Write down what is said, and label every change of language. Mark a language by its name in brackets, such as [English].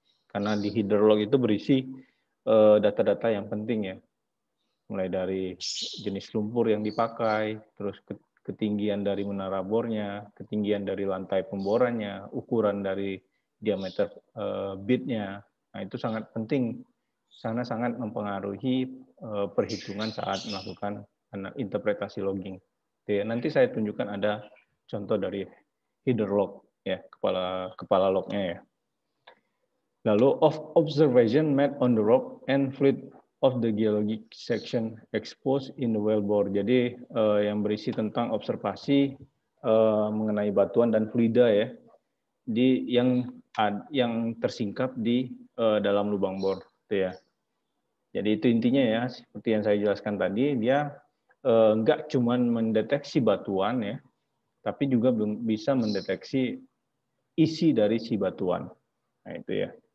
[Indonesian] Karena di header log itu berisi data-data yang penting ya, mulai dari jenis lumpur yang dipakai, terus ketinggian dari menara bornya, ketinggian dari lantai pemborannya, ukuran dari diameter bitnya. Nah, itu sangat penting, sangat-sangat mempengaruhi perhitungan saat melakukan interpretasi logging. Oke, nanti saya tunjukkan ada contoh dari header log ya, kepala lognya ya. Lalu [English] of observation made on the rock and fluid of the geologic section exposed in the wellbore. [Indonesian] Jadi yang berisi tentang observasi mengenai batuan dan fluida ya di yang tersingkap di dalam lubang bor, gitu ya. Jadi itu intinya ya, seperti yang saya jelaskan tadi, dia nggak cuma mendeteksi batuan ya, tapi juga belum bisa mendeteksi isi dari si batuan. Nah itu ya.